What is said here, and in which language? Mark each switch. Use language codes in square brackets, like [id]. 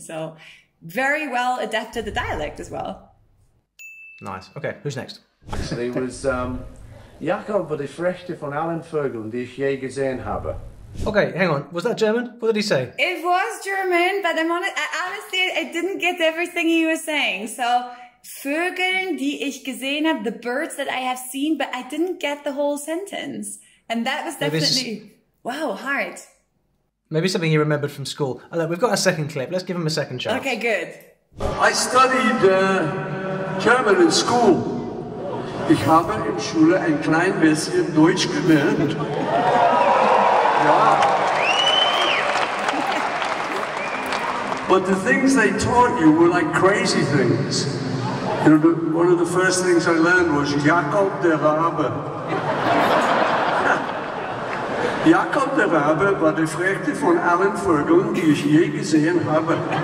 [en] So very well adapted the dialect as well. Nice. Okay, who's next? Actually, it was [de] Jakob von der Frechte von Alan Vogel, die ich je gesehen habe. [en] Okay, hang on. Was that German? What did he say? It was German, but I'm honestly, I didn't get everything he was saying. So, [de] Vögeln, die ich gesehen habe, [en] the birds that I have seen, but I didn't get the whole sentence. And that was definitely, hard. Maybe something he remembered from school. Oh, look, we've got a second clip. Let's give him a second chance. Okay, good. I studied German in school. [de] Ich habe in Schule ein klein bisschen Deutsch gelernt. Ja. [en] But the things they taught you were like crazy things. You know, one of the first things I learned was Jakob der Rabe. [de] Jakob der Rabe war die Frechte von allen Vögeln, die ich je gesehen habe.